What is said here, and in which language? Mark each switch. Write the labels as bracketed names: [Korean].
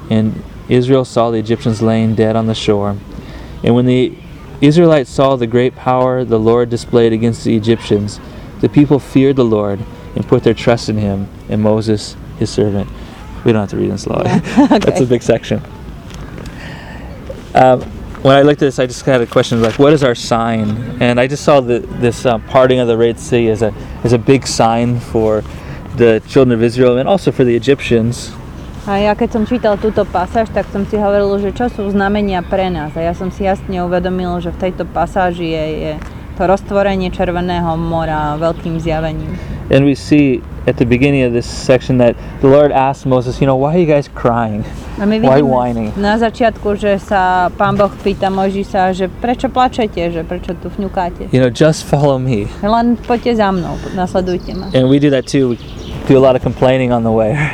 [English] And Israel saw the Egyptians laying dead on the shore. And when the Israelites saw the great power the Lord displayed against the Egyptians, the people feared the Lord and put their trust in him and Moses, his servant. We don't have to read this law. Okay. That's a big section. When I looked at this, I just had a question like, what is our sign? And I just saw this parting of the Red Sea as a big sign for the children of Israel and also for the Egyptians. [Slovak] A ja keď som čítal túto pasáž, tak som si hovoril, že čo sú znamenia pre nás. A ja som si jasne uvedomil, že v tejto pasáži je to roztvorenie Červeného mora veľkým zjavením. [English] And we see at the beginning of this section that the Lord asked Moses, you know, why are you guys crying? Why whining? [Slovak] Na začiatku, že sa Pán Boh pýta Mojžiša, že prečo plačete, že prečo tu fňukáte? [English] You know, just follow me. [Slovak] Len poďte za mnou, nasledujte ma. [English] And we do that too. We do a lot of complaining on the way.